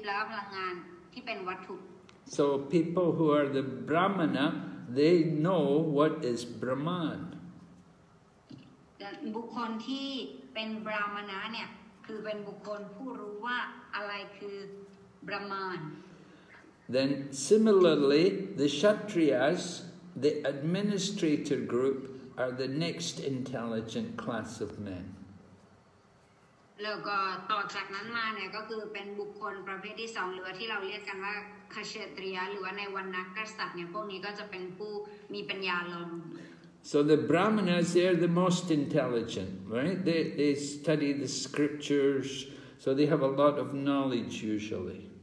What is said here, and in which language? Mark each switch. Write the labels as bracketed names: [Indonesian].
[Thai] พลังที่เป็นทิพย์แล้วก็พลังงานที่เป็นวัตถุ [English] So people who are the brahmana they know what is brahman [Thai] บุคคลที่เป็นบรามณะเนี่ยคือเป็นบุคคลผู้รู้ว่าอะไรคือบรามาน [English] Then similarly the kshatriyas the administrator group are the next intelligent class of men [Thai] แล้วก็ต่อจากนั้นมาเนี่ยก็คือเป็นบุคคลประเภทที่สองหรือว่าที่เราเรียกกันว่าคเชตริยะหรือว่าในวรรณกษัตริย์เนี่ยพวกนี้ก็จะเป็นผู้มีปัญญาล้น [English] So the brahmanas they are the most intelligent, right? They study the scriptures, so they have a lot of knowledge usually.